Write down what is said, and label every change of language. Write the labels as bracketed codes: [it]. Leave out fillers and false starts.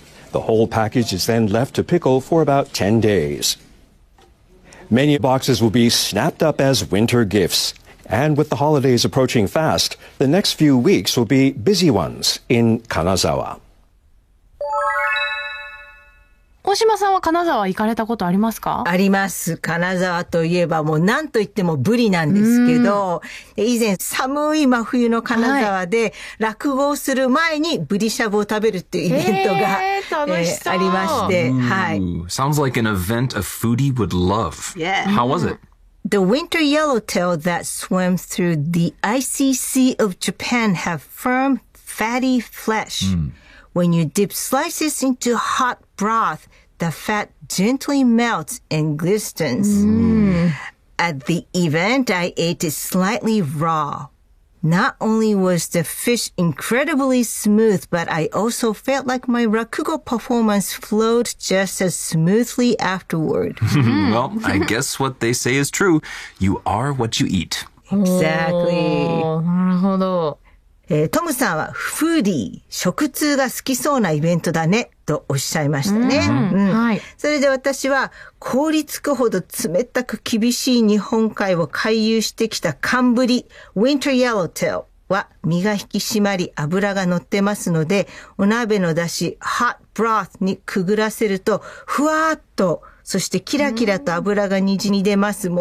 [en] The whole package is then left to pickle for about 10 days. Many boxes will be snapped up as winter gifts, and with the holidays approaching fast, the next few weeks will be busy ones in Kanazawa. [ja] 大島さんは金沢行かれたことありますか？あります。金沢といえばもう何と言ってもブリなんですけど、以前寒い真冬の金沢で落語をする前にブリしゃぶを食べるっていうイベントが、ありまして、 [en] Sounds like an event a foodie would love. Yeah. How was it? The winter yellowtail that swim through the icy sea of Japan have firm, fatty flesh. When you dip slices into hot broth, the fat gently melts and glistens. At the event, I ate it slightly raw. Not only was the fish incredibly smooth, but I also felt like my rakugo performance flowed just as smoothly afterward. Well, I guess what they say is true. You are what you eat. Exactly. [ja] なるほど。トムさんはフーディー、食通が好きそうなイベントだねとおっしゃいましたね。それで私は凍りつくほど冷たく厳しい日本海を回遊してきた寒ブリ、ウィンターイエローテイルは身が引き締まり脂が乗ってますので、お鍋の出汁、ハットブロースにくぐらせるとふわーっと、そしてキラキラと脂がにじみ出ます。